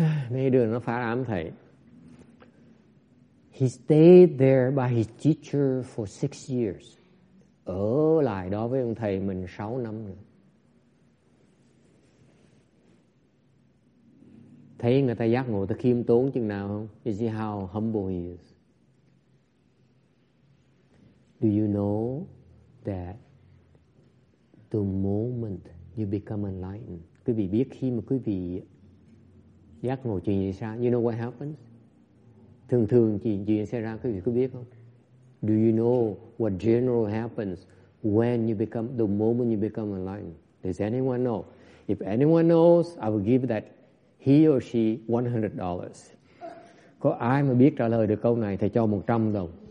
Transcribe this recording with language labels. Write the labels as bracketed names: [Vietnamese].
[Vietnamese] Mấy đứa nó phá ám thầy. [English] He stayed there by his teacher for 6 years. [Vietnamese] Ở lại đó với ông thầy mình 6 năm nữa. Thấy người ta giác ngộ ta khiêm tốn chừng nào không? [English] You see how humble he is. Do you know that the moment you become enlightened, [Vietnamese] quý vị biết khi mà quý vị giác ngộ chuyện gì sao? [English] You know what happens? [Vietnamese] Thường thường chuyện gì xảy ra quý vị có biết không? [English] Do you know what generally happens when you become, the moment you become enlightened? Does anyone know? If anyone knows, I will give that he or she $100. [Vietnamese] Có ai mà biết trả lời được câu này, thầy cho 100 đồng.